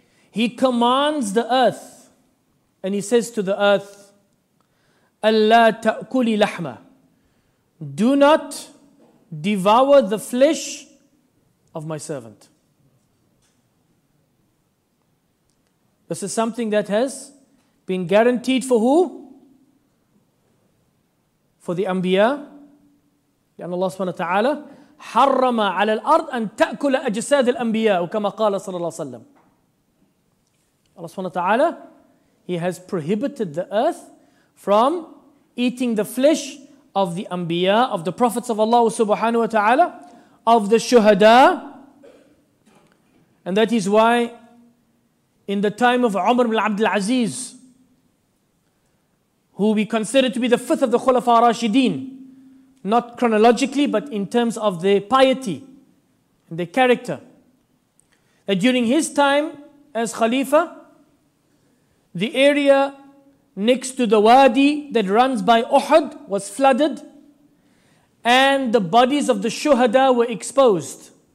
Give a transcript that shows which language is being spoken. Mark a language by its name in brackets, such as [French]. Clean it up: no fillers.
[English] he commands the earth, and he says to the earth, [Arabic] أَلَّا تَأْكُلِ لَحْمَ, [English] do not devour the flesh of my servant. This is something that has been guaranteed for who? For the Anbiya. [Arabic] لأن الله سبحانه وتعالى حرم على الأرض أن تأكل أجساد الأنبياء وكما قال صلى الله عليه وسلم. الله سبحانه وتعالى, [English] he has prohibited the earth from eating the flesh of the أنبياء, of the prophets of Allah [Arabic] سبحانه وتعالى, [English] of the شهداء. And that is why in the time of Umar ibn Abdul Aziz, who we consider to be the fifth of the Khulafa Rashideen, not chronologically, but in terms of their piety and their character, that during his time as Khalifa, the area next to the Wadi that runs by Uhud was flooded and the bodies of the Shuhada were exposed.